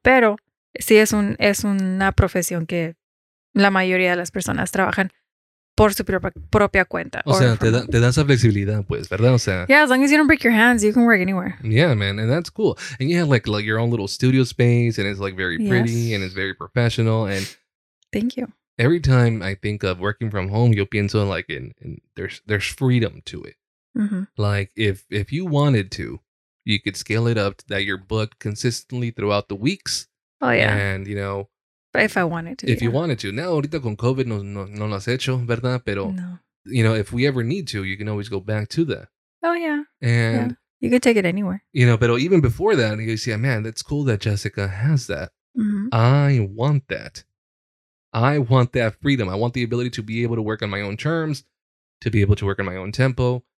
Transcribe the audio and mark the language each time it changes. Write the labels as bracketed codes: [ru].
[es] Pero sí es una profesión que la mayoría de las personas trabajan por su propia cuenta. O sea, te da esa flexibilidad, pues, ¿verdad? O sea, [en] yeah, as long as you don't break your hands, you can work anywhere. Yeah, man, and that's cool. And you have like your own little studio space, and it's like very pretty, yes, and it's very professional. And thank you. Every time I think of working from home, [es] yo pienso [en] like in there's freedom to it. Mm-hmm. Like if you wanted to, you could scale it up that you're booked consistently throughout the weeks. Oh yeah, and you know. But if I wanted to. If, yeah, you wanted to. [es] Now, ahorita con COVID, no lo has hecho, ¿verdad? Pero, no, [en] you know, if we ever need to, you can always go back to that. Oh, yeah. And yeah, you could take it anywhere. You know, but even before that, you see, man, that's cool that Jessica has that. Mm-hmm. I want that. I want that freedom. I want the ability to be able to work on my own terms, to be able to work on my own tempo.